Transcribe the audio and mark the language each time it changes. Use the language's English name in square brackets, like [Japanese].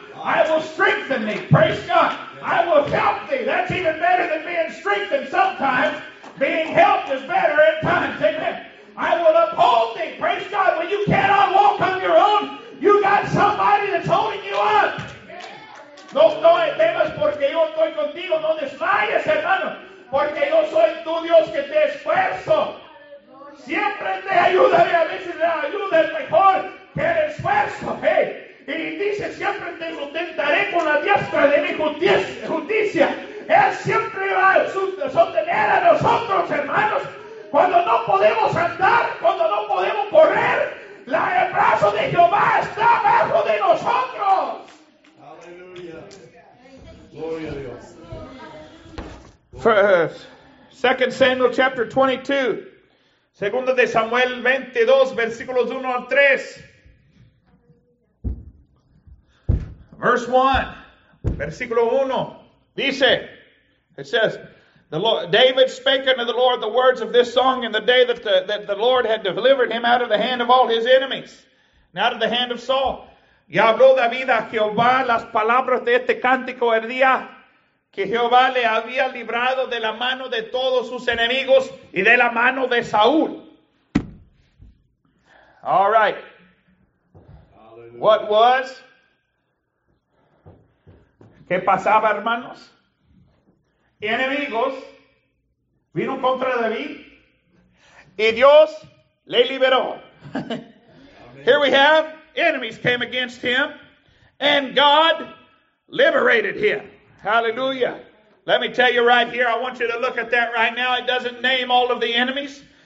[English] I will strengthen thee. Praise God. I will help thee. That's even better than being strengthened sometimes. Being helped is better at times. Amen. I will uphold thee. Praise God. When you cannot walk on your own, you got somebody that's holding you up. [Spanish] No, no temas porque yo estoy contigo. No desmayes, hermano. Porque yo soy tu Dios que te esfuerzo. Siempre. te ayudaré, a veces la ayuda es mejor que el esfuerzo, ¿eh? Y dice, siempre te sustentaré con la diestra de mi justicia. Él siempre va a sostener a nosotros, hermanos, cuando no podemos andar, cuando no podemos correr, el brazo de Jehová está abajo de nosotros. Aleluya. Gloria a Dios. [English] First, 2 Samuel chapter 22. [Spanish] Segunda de Samuel 22, versículos 1 al 3. [English] Verse 1, [Spanish] versículo 1. [English] Dice, it says, the Lord, David spake unto the Lord the words of this song in the day that the Lord had delivered him out of the hand of all his enemies, and out of the hand of Saul. [Spanish] Y habló David a Jehová las palabras de este cántico el día que Jehová le había librado de la mano de todos sus enemigos y de la mano de Saúl. [English] All right. Hallelujah. What was? [Spanish] ¿Qué pasaba, hermanos? Enemigos vino contra David y Dios le liberó. [English] Here we have enemies came against him and God liberated him. Hallelujah. Let me tell you right here, I want you to look at that right now. It doesn't name all of the enemies.